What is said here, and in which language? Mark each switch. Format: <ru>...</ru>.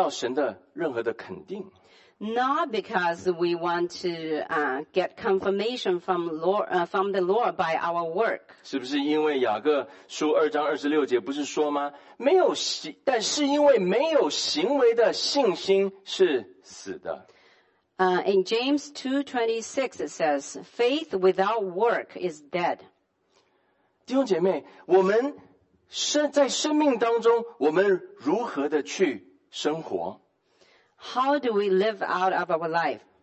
<zh>不是因为我们要靠着这些行为或表现能够得到神的任何的肯定。</zh> <en>Not because we want to get confirmation from the Lord by our work.</en> <zh>是不是因为雅各书2章26节不是说吗? 但是因为没有行为的信心是死的。</zh> <en>In James 2:26 it says, faith without work is dead.</en> <zh>弟兄姐妹,我们在生命当中,我们如何的去生活?</zh> <en>How do we live out of our life?</en>